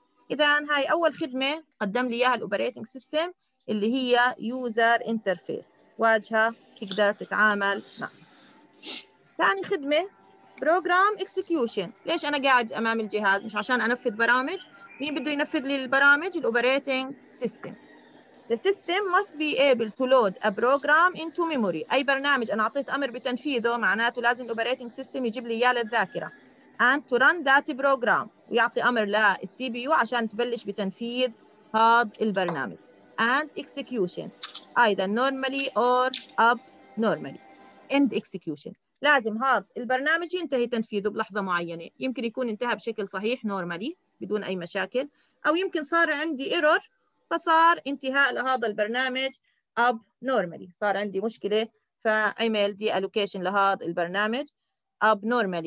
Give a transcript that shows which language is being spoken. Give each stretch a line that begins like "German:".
Arabic: إذا هاي أول خدمة قدم لي إياها الأوبريتنج سيستم اللي هي يوزر انترفيس، واجهة تقدر تتعامل معها. ثاني خدمة بروجرام اكسكيوشن. ليش أنا قاعد أمام الجهاز؟ مش عشان أنفذ برامج. مين بده ينفذ لي البرامج؟ الأوبريتنج سيستم.
English: The system must be able to load a program into memory.
Arabic: أي برنامج أنا أعطيت أمر بتنفيذه معناته لازم operating system يجيب لي إياه للذاكرة.
English: And to run that program.
Arabic: ويعطي أمر للCPU عشان تبلش بتنفيذ هذا البرنامج.
English: And execution. Either normally or abnormally. End execution.
Arabic: لازم هذا البرنامج ينتهي تنفيذه بلحظة معينة. يمكن يكون انتهى بشكل صحيح normally بدون أي مشاكل. أو يمكن صار عندي error فصار انتهاء لهذا البرنامج abnormally. صار عندي مشكلة فعمل deallocation لهذا البرنامج abnormally.